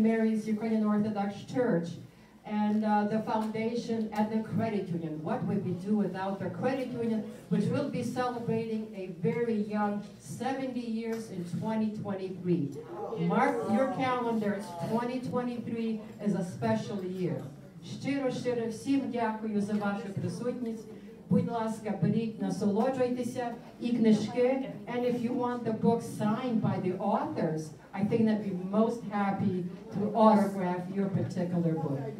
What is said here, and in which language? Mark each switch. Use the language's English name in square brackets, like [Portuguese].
[English] Mary's Ukrainian Orthodox Church, and the foundation at the credit union. What would we do without the credit union, which will be celebrating a very young 70 years in 2023. Mark your calendars, 2023 is a special year. [Ukrainian] Щиро-щиро всім дякую за вашу присутність. Будь ласка, беріть, насолоджуйтеся і книжки. [English] And if you want the book signed by the authors, I think that'd be most happy to autograph your particular book.